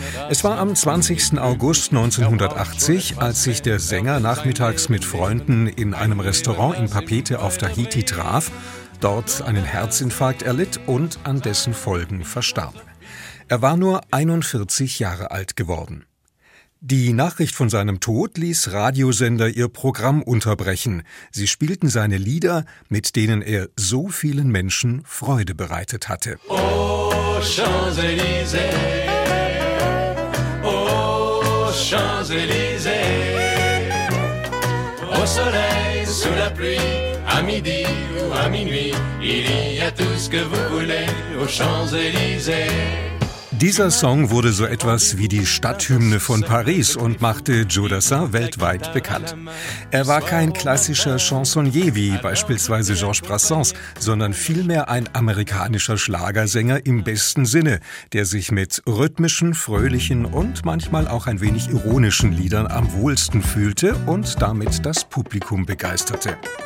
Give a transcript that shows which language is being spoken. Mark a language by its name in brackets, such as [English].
[German] Es war am 20. August 1980, als sich der Sänger nachmittags mit Freunden in einem Restaurant in Papeete auf Tahiti traf, dort einen Herzinfarkt erlitt und an dessen Folgen verstarb. Er war nur 41 Jahre alt geworden. Die Nachricht von seinem Tod ließ Radiosender ihr Programm unterbrechen. Sie spielten seine Lieder, mit denen er so vielen Menschen Freude bereitet hatte. [French] Oh, Champs-Élysées, oh, Champs-Élysées, au soleil, sous la pluie, à midi ou à minuit, il y a tout ce que vous voulez, aux Champs-Élysées. [German] Dieser Song wurde so etwas wie die Stadthymne von Paris und machte Joe Dassin weltweit bekannt. Er war kein klassischer Chansonnier wie beispielsweise Georges Brassens, sondern vielmehr ein amerikanischer Schlagersänger im besten Sinne, der sich mit rhythmischen, fröhlichen und manchmal auch ein wenig ironischen Liedern am wohlsten fühlte und damit das Publikum begeisterte.